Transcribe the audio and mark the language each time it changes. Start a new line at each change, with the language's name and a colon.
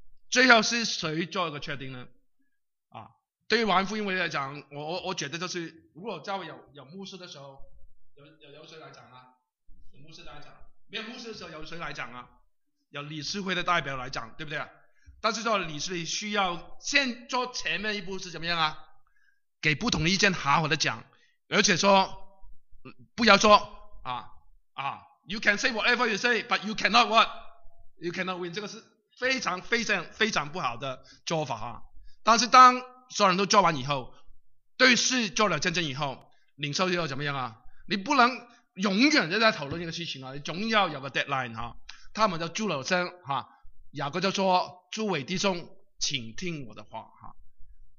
Chinese: 最后是谁做一个确定呢？啊，对于完福音会来讲，我觉得就是如果教会有牧师的时候，有谁来讲啊？有牧师来讲，没有牧师的时候有谁来讲啊？有理事会的代表来讲，对不对？但是说理事会需要先做前面一步是怎么样啊？给不同的意见好好的讲，而且说。不要说啊啊 ，
English: You can say whatever you say, but you cannot what, you cannot win。
Chinese: 这个是非常非常非常不好的做法哈。但是当所有人都做完以后，对事做了见证以后，领受又怎么样啊？你不能永远都在讨论一个事情啊，你总要有个 deadline 哈。他们就住了声哈，雅各就说：“诸位弟兄，请听我的话哈。”